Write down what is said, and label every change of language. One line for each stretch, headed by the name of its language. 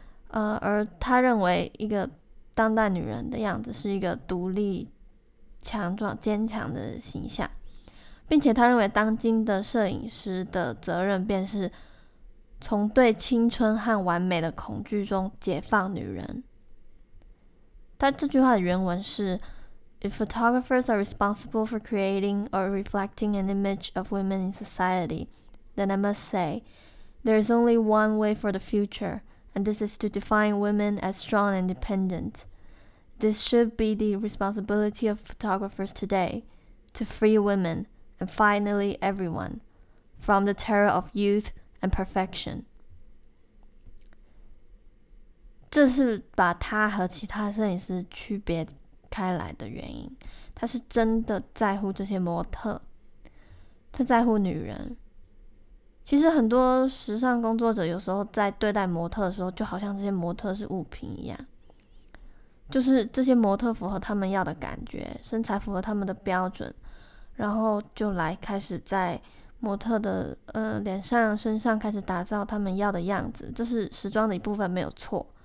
Chinese: 而他认为一个当代女人的样子是一个独立强壮坚强的形象，并且他认为当今的摄影师的责任便是从对青春和完美的恐惧中解放女人。他这句话的原文是
English: If photographers are responsible for creating or reflecting an image of women in societyThen I must say, there is only one way for the future, and this is to define women as strong and independent. This should be the responsibility of photographers today, to free women and finally everyone from the terror of youth and perfection.
Chinese: 这是把他和其他摄影师区别开来的原因。他是真的在乎这些模特，他在乎女人。其实很多时尚工作者有时候在对待模特的时候，就好像这些模特是物品一样，就是这些模特符合他们要的感觉，身材符合他们的标准，然后就来开始在模特的脸上身上开始打造他们要的样子，这是时装的一部分，没有错。